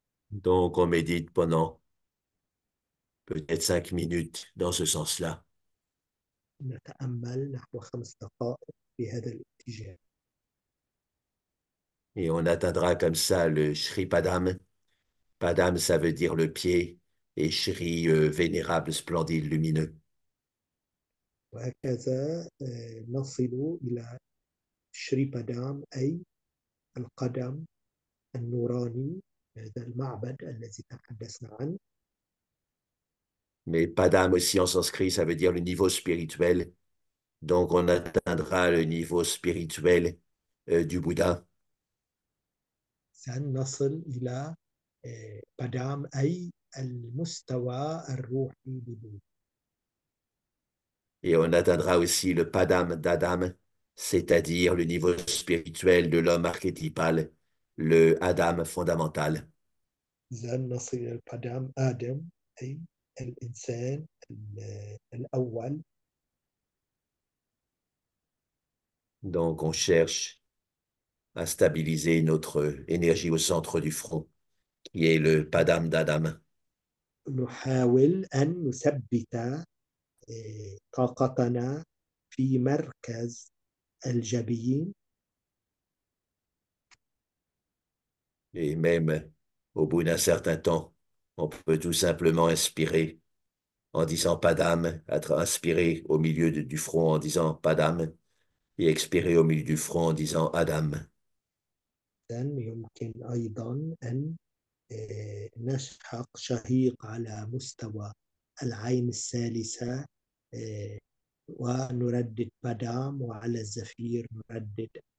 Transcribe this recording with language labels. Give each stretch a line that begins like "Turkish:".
French: Donc, on médite pendant peut-être 5 minutes dans ce sens-là.
Arabic: نتأمل نحو 5 دقائق في هذا الاتجاه.
French: Et on atteindra comme ça le Shri Padam. Padam, ça veut dire le pied, et Shri, vénérable, splendide, lumineux.
Arabic: وهكذا نصل إلى شريبادام أي القدم النوراني هذا المعبد الذي تحدثنا عنه.
French: Mais Padam aussi en sanskrit, ça veut dire le niveau spirituel. Donc on atteindra le niveau spirituel, du Bouddha.
Arabic: سنصل إلى بادام أي المستوى الروحي لبوذا.
French: Et on atteindra aussi le Padam d'Adam, c'est-à-dire le niveau spirituel de l'homme archétypal, le Adam fondamental.
Arabic: سنصل إلى بادام آدم أي الإنسان الأول.
French: Donc on cherche à stabiliser notre énergie au centre du front, qui est le Padam d'Adam.
Arabic: نحاول أن نثبت طاقتنا في مركز الجبين.
French: Et même au bout d'un certain temps, on peut tout simplement inspirer en disant Padam, être inspiré au milieu du front en disant Padam, et expirer au milieu du front en disant Adam.
Arabic: إذن يمكن أيضا أن نشحق شهيق على مستوى العين الثالثة ونردد بادام، وعلى الزفير نردد.